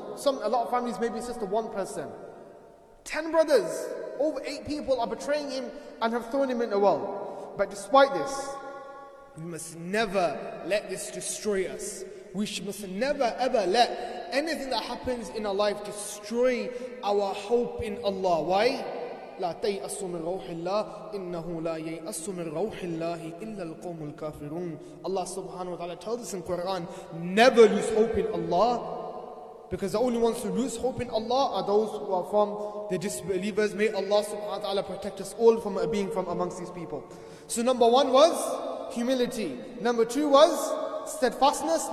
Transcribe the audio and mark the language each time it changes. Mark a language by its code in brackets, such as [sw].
[en] A lot of families, maybe it's just the one person. 10 brothers, over 8 people are betraying him and have thrown him in the well. But despite this, We must never let this destroy us. We must never ever let anything that happens in our life destroy our hope in Allah. Why? [ar] لا تيأس من روح الله إنه لا ييأس من روح الله إلا القوم الكافرون. [en] Allah subhanahu wa ta'ala tells us in Quran, never lose hope in Allah, because the only ones who lose hope in Allah are those who are from the disbelievers. May Allah subhanahu wa ta'ala protect us all from being from amongst these people. So number one was humility. Number two was steadfastness.